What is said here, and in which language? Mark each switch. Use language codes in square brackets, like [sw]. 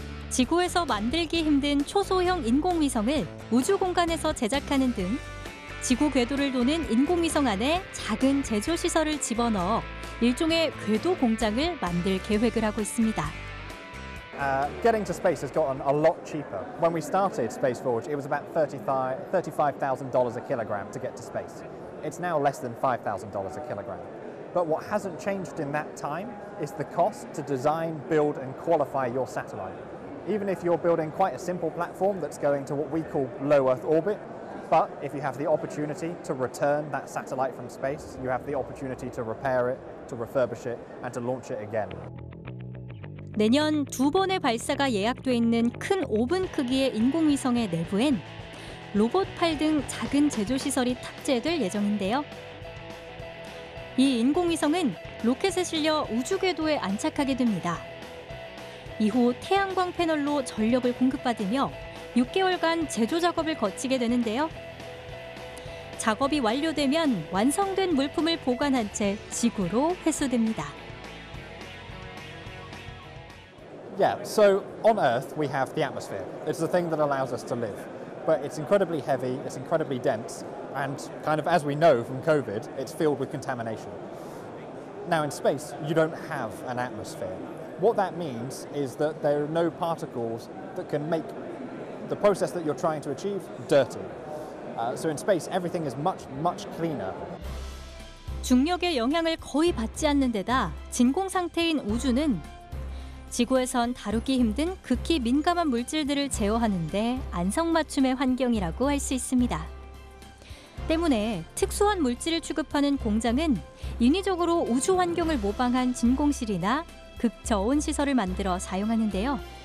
[ko] 지구에서 만들기 힘든 초소형 인공위성을 우주 공간에서 제작하는 등 지구 궤도를 도는 인공위성 안에 작은 제조 시설을 집어넣어 일종의 궤도 공장을 만들 계획을 하고 있습니다. [en] Getting to space has gotten a lot cheaper. When we started Space Forge, it was about $35,000 a kilogram to get to space. It's now less than $5,000 a kilogram. But what hasn't changed in that time is the cost to design, build, and qualify your satellite. Even if you're building quite a simple platform that's going to what we call low Earth orbit, but if you have the opportunity to return that satellite from space, you have the opportunity to repair it, to refurbish it, and to launch it again. [ko] 내년 두 번의 발사가 예약돼 있는 큰 오븐 크기의 인공위성의 내부엔 로봇 팔 등 작은 제조 시설이 탑재될 예정인데요. 이 인공위성은 로켓에 실려 우주 궤도에 안착하게 됩니다. 이후 태양광 패널로 전력을 공급받으며 6개월간 제조 작업을 거치게 되는데요. 작업이 완료되면 완성된 물품을 보관한 채 지구로 회수됩니다. [en] Yeah, so on Earth we have the atmosphere. It's the thing that allows us to live. But it's incredibly heavy, it's incredibly dense, and kind of as we know from COVID, it's filled with contamination. Now in space, you don't have an atmosphere. What that means is that there are no particles that can make the process that you're trying to achieve dirty. So in space, everything is much, much cleaner. [ko] 중력의 영향을 거의 받지 않는 데다 진공 상태인 우주는 지구에선 다루기 힘든 극히 민감한 물질들을 제어하는데 안성맞춤의 환경이라고 할 수 있습니다. 때문에 특수한 물질을 취급하는 공장은 인위적으로 우주 환경을 모방한 진공실이나 극저온 시설을 만들어 사용하는데요.